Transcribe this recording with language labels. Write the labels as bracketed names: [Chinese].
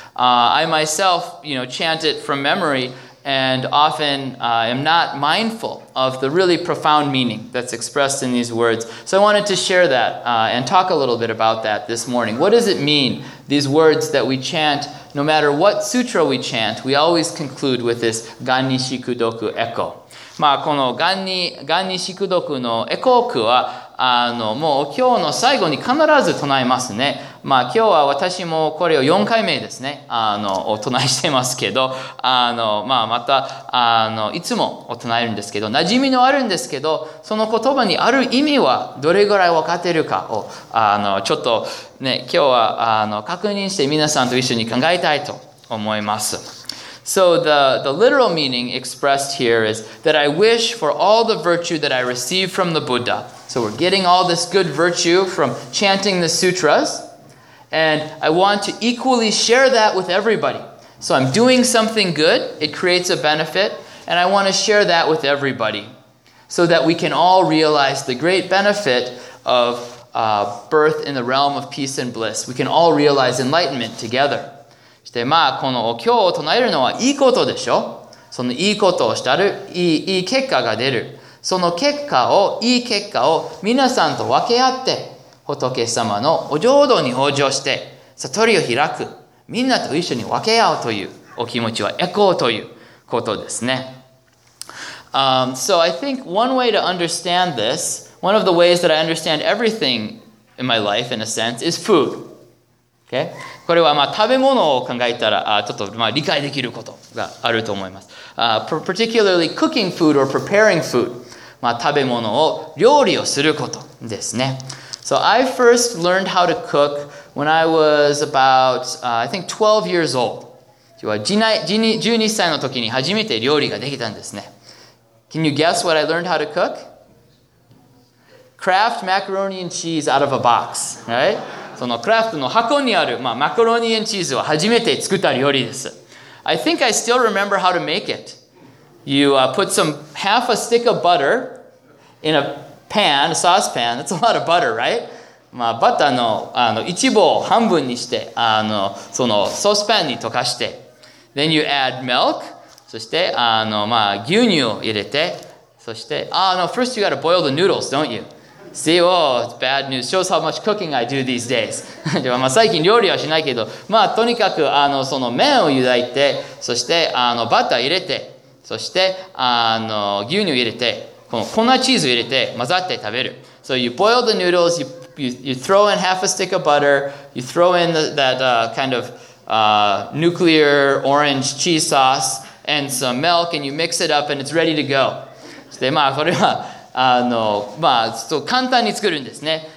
[English] I myself, you know, chant it from memory and often am not mindful of the really profound meaning that's expressed in these words. So I wanted to share that and talk a little bit about that this morning. What does it mean, these words that we chant? No matter what sutra we chant, we always conclude with this Ganishiku doku echo. [Japanese] まあ、このガンニシクドクのエコークはあのもう今日の最後に必ず唱えますね。まあ、今日は私もこれを4回目ですね、あのお唱えしてますけど、あの、まあ、またあのいつもお唱えるんですけど、馴染みのあるんですけど、その言葉にある意味はどれぐらい分かってるかをあのちょっと、ね、今日はあの確認して皆さんと一緒に考えたいと思います。 [English] So the literal meaning expressed here is that I wish for all the virtue that I receive from the Buddha. So we're getting all this good virtue from chanting the sutras, and I want to equally share that with everybody. So I'm doing something good, it creates a benefit, and I want to share that with everybody so that we can all realize the great benefit of birth in the realm of peace and bliss. We can all realize enlightenment together. [Japanese] で、まあ、このお経を唱えるのはいいことでしょ。そのいいことをしたる、いい結果が出る。その結果を、いい結果を皆さんと分け合って、仏様のお浄土に往生して、悟りを開く。みんなと一緒に分け合うというお気持ちはエコーということですね。 [English] So I think one way to understand this, one of the ways that I understand everything in my life, in a sense, is food. Okay? [Japanese] これはまあ食べ物を考えたらちょっとまあ理解できることがあると思います。 [English] Particularly cooking food or preparing food. [Japanese] まあ食べ物を料理をすることですね。 [English] So I first learned how to cook when I was about, I think 12 years old. [Japanese] 12歳の時に初めて料理ができたんですね。 [English] Can you guess what I learned how to cook? Kraft macaroni and cheese out of a box, right? [Japanese] そのクラフトの箱にある、まあ、マカロニ and cheese を初めて作った料理です。 [English] I think I still remember how to make it. You、put some half a stick of butter in a pan, a saucepan. That's a lot of butter, right? [Japanese] まあ、バターの、一部を半分にして、そのソースパンに溶かして。 [English] Then you add milk. [Japanese] そして、まあ、牛乳を入れて。そして、 [English] first you gotta boil the noodles, don't you? See, oh, it's bad news. Shows how much cooking I do these days. [Japanese] でもまあ最近料理はしないけど、まあとにかくその麺を湯がいて、そしてバター入れて、そして牛乳入れて、この粉チーズ入れて混ざって食べる。 [English] So you boil the noodles, you throw in half a stick of butter, you throw in nuclear orange cheese sauce and some milk, and you mix it up, and it's ready to go. [Japanese] でまあこれはまあ、そう簡単に作るんですね。